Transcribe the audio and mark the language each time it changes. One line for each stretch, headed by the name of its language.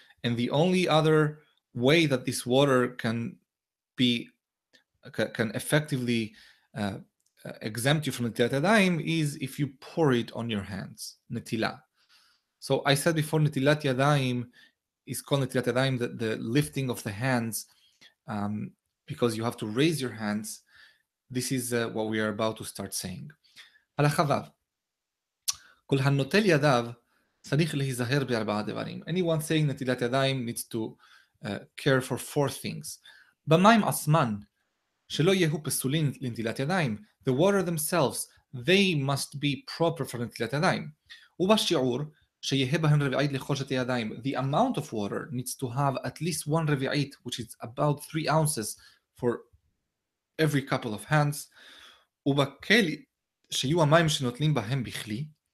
English: And the only other way that this water can effectively exempt you from netilat yadayim is if you pour it on your hands, netila. So I said before, netilat yadayim is called netilat yadayim, the lifting of the hands, because you have to raise your hands. This is what we are about to start saying. Halachavav.
Hebrew: כל הנוטל ידיו צריך להיזהר בארבעה דברים.
English: Anyone saying נטילת ידיים needs to care for four things.
Hebrew: במים עצמן, שלא יהיו פסולים לנטילת ידיים.
English: The water themselves, they must be proper for נטילת ידיים.
Hebrew: ובשיעור, שיהיה בהם רביעית לכל שתי ידיים.
English: The amount of water needs to have at least one רביעית, which is about 3 ounces for every couple of hands.
Hebrew: ובכלי, שיהיו המים שנוטלים בהם בכלי.